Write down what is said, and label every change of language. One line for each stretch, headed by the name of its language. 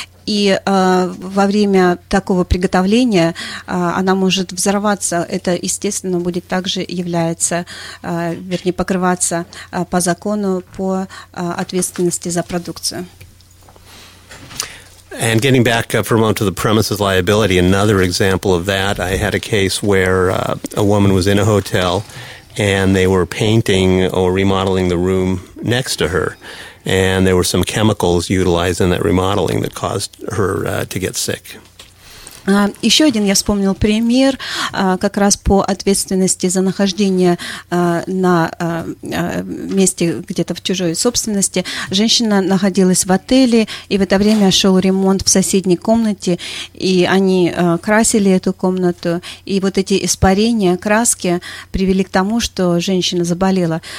Russian: И во время такого приготовления она может взорваться. Это, естественно, будет также являться, вернее, покрываться по закону по ответственности за продукцию.
English: And getting back for a moment to the premises liability, another example of that, I had a case where a woman was in a hotel and they were painting or remodeling the room next to her. And there were some chemicals utilized in that remodeling that caused her to get sick.
Russian: Еще один я вспомнил пример, как раз по ответственности за нахождение на месте где-то в чужой собственности. Женщина находилась в отеле, и в это время шел ремонт в соседней комнате, и они красили эту комнату, и вот эти испарения краски привели к тому, что женщина заболела.